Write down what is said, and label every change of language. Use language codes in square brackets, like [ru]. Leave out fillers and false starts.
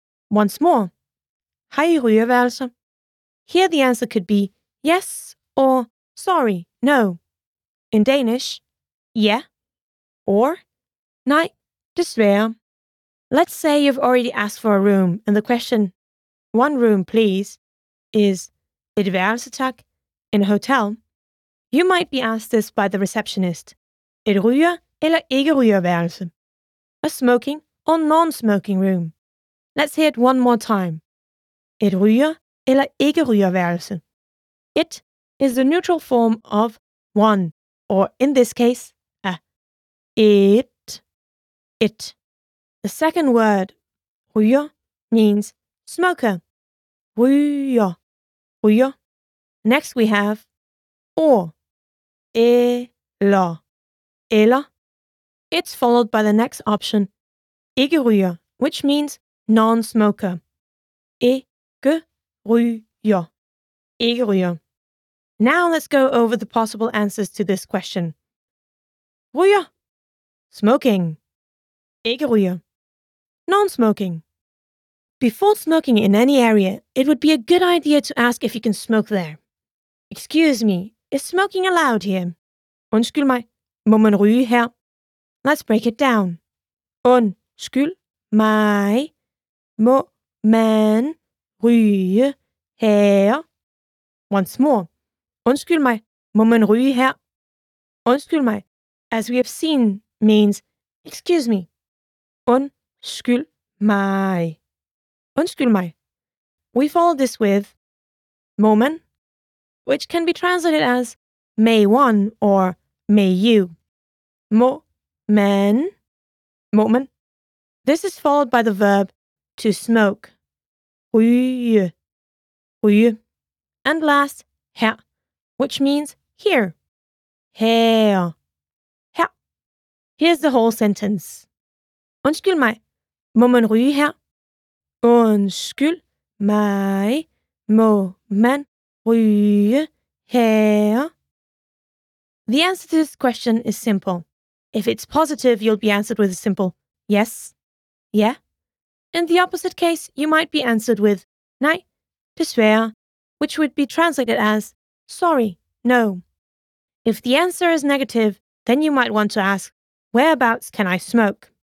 [en] Once more, [da] har I rygeværelser? [en] Here the answer could be yes or sorry, no. In Danish, [da] ja [en] or [da] nej. Desværre. [en] Let's say you've already asked for a room and the question, one room please, is [da] et værelse tak, [en] in a hotel. You might be asked this by the receptionist. [da] Et ryger eller ikke ryger værelse? [en] A smoking or non-smoking room. Let's hear it one more time. [da] Et ryger eller ikke ryger værelse? [en] It is the neutral form of one, or in this case, a. [da] Et. [en] It. The second word, ryger, means smoker. [da] Ryger, ryger. [en] Next we have or, [da] eller, eller. [en] It's followed by the next option, [da] ikke ryger, [en] which means non-smoker. [da] Ikke ryger, ikke ryger. [en] Now let's go over the possible answers to this question. [da] Ryger, [en] smoking. [da] Ikke ryger. [en] Non-smoking. Before smoking in any area, it would be a good idea to ask if you can smoke there. Excuse me, is smoking allowed here? [da] Undskyld mig, må man ryge her? [en] Let's break it down. [da] Undskyld mig, må man ryge her? [en] Once more. [da] Undskyld mig, må man ryge her? [en] Undskyld mig, as we have seen, means excuse me. [da] Undskyld mig. Undskyld mig. [en] We follow this with må man, which can be translated as may one or may you. [da] Må man. [en] This is followed by the verb to smoke. [da] Ryge. Ryge. [en] And last, [da] her, [en] which means here. [da] Her. Her. [en] Here's the whole sentence. [da] Undskyld mig, må man ryge her? Undskyld mig, må man ryge her? [en] The answer to this question is simple. If it's positive, you'll be answered with a simple yes, yeah. In the opposite case, you might be answered with [da] nej, desværre, [en] which would be translated as sorry, no. If the answer is negative, then you might want to ask, whereabouts can I smoke?